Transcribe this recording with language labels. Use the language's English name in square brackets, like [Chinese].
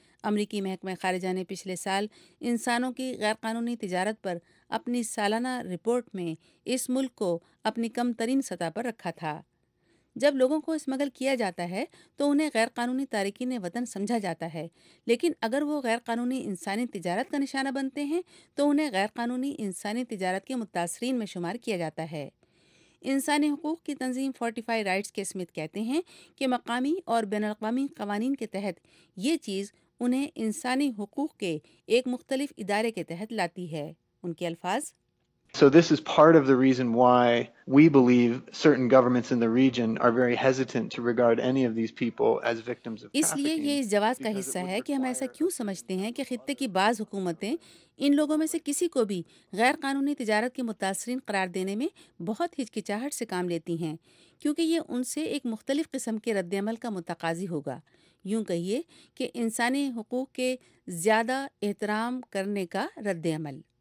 [Urdu] امریکی محکمہ خارجہ نے پچھلے سال انسانوں کی غیر قانونی تجارت پر اپنی سالانہ رپورٹ میں اس ملک کو اپنی کم ترین سطح پر رکھا تھا۔ جب لوگوں کو اسمگل کیا جاتا ہے تو انہیں غیر قانونی تارکین وطن سمجھا جاتا ہے، لیکن اگر وہ غیر قانونی انسانی تجارت کا نشانہ بنتے ہیں تو انہیں غیر قانونی انسانی تجارت کے متاثرین میں شمار کیا جاتا ہے۔ انسانی حقوق کی تنظیم 45 رائٹس کے سمیت کہتے ہیں کہ مقامی اور بین الاقوامی قوانین کے تحت یہ چیز انہیں انسانی حقوق کے ایک مختلف ادارے کے تحت لاتی ہے۔ ان کے الفاظ، [English] So this is part of the reason why we believe certain governments in the region are very hesitant to regard any of these people as victims of trafficking. [Urdu] اس لیے یہ اس جواز کا حصہ ہے کہ ہم ایسا کیوں سمجھتے ہیں کہ خطے کی بعض حکومتیں ان لوگوں میں سے کسی کو بھی غیر قانونی تجارت کے متاثرین قرار دینے میں بہت ہچکچاہٹ سے کام لیتی ہیں، کیونکہ یہ ان سے ایک مختلف قسم کے رد عمل کا متقاضی ہوگا۔ یوں کہیے کہ انسانی حقوق کے زیادہ احترام کرنے کا رد عمل۔